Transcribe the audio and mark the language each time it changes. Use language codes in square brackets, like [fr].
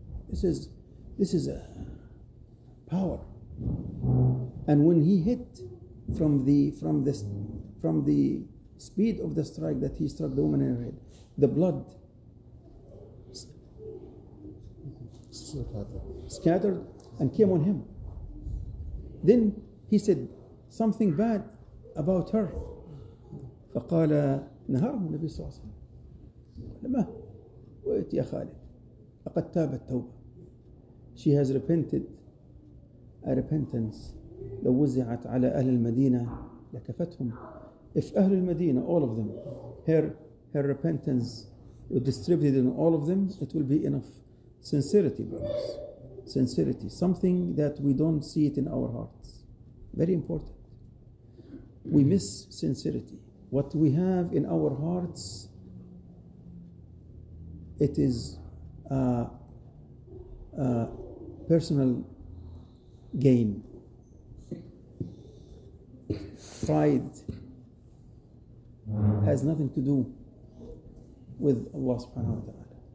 [en] This is a power. And when he hit from the speed of the strike that he struck the woman in her head, the blood scattered and came on him. Then he said something bad about her. [ar] فقال نهاره النبي صلى الله عليه وسلم. وقلت يا خالد لقد تاب التوبة. [en] She has repented a repentance. [ar] لو وزعت على أهل المدينة لكفتهم. [en] If [ar] أهل المدينة, [en] all of them, her repentance were distributed in all of them, it will be enough. Sincerity, brothers. Sincerity. Something that we don't see it in our hearts. Very important. We miss sincerity. What we have in our hearts, it is personal gain, pride, has nothing to do with Allah subhanahu wa ta'ala.